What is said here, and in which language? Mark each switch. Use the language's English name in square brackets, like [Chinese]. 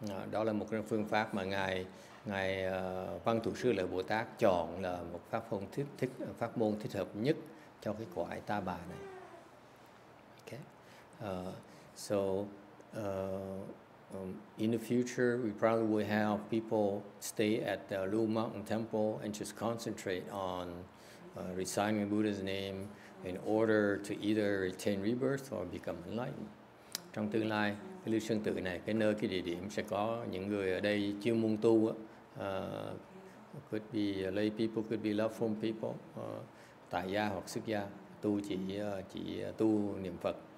[Vietnamese] Đó là một phương pháp mà ngài Văn Thù Sư Lợi Bồ Tát chọn là một pháp môn thích hợp nhất cho cái quả ta bà này. [English] In the future, we probably will have people stay at the Lu Mountain Temple and just concentrate on reciting the Buddha's name in order to either attain rebirth or become enlightened. [Vietnamese] Trong tương lai, cái lưu sương tự này, cái nơi, cái địa điểm sẽ có những người ở đây chuyên môn tu, [English] could be lay people, could be loved from people, [Vietnamese] tại gia hoặc xuất gia, tu chỉ tu niệm Phật.